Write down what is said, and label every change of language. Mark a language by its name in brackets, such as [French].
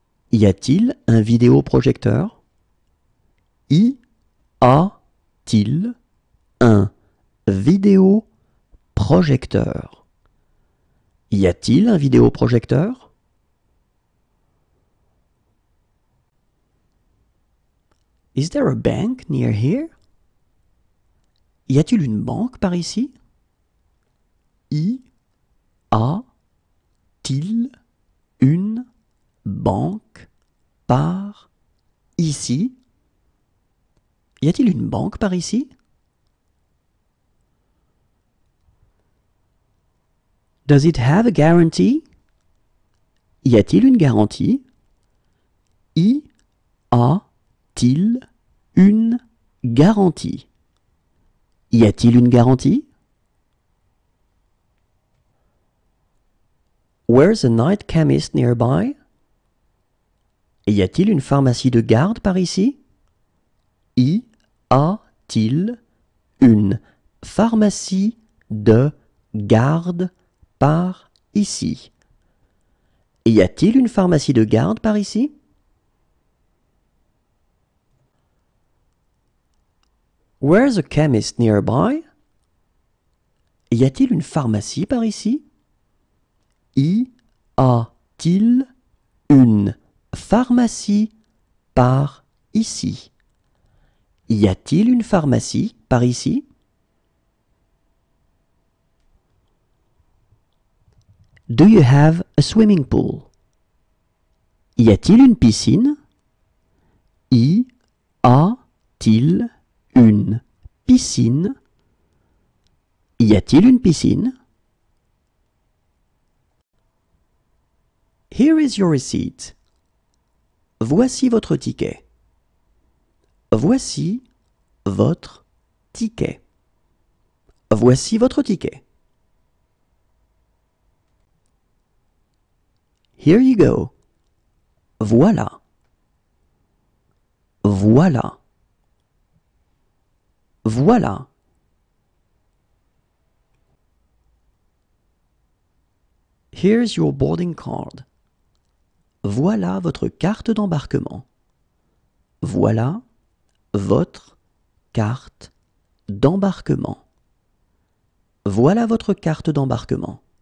[French] Y a-t-il un vidéoprojecteur? Y a-t-il un vidéoprojecteur? Y a-t-il un vidéoprojecteur? [English] Is there a bank near here? [French] Y a-t-il une banque par ici? Y a t-il une banque par ici? Y a-t-il une banque par ici? [English] Does it have a guarantee? [French] Y a-t-il une garantie? Y a-t-il une garantie? Y a-t-il une garantie? [English] Where's a night chemist nearby? [French] Y a-t-il une pharmacie de garde par ici? Y a-t-il une pharmacie de garde par ici? Y a-t-il une pharmacie de garde par ici? [English] Where's a chemist nearby? [French] Y a-t-il une pharmacie par ici? Y a-t-il une pharmacie par ici? Y a-t-il une pharmacie par ici? [English] Do you have a swimming pool? [French] Y a-t-il une piscine? Y a-t-il une piscine? Y a-t-il une piscine? [English] Here is your receipt. [French] Voici votre ticket. Voici votre ticket. Voici votre ticket. [English] Here you go. [French] Voilà. Voilà. Voilà. [English] Here's your boarding card. [French] Voilà votre carte d'embarquement. Voilà votre carte d'embarquement. Voilà votre carte d'embarquement.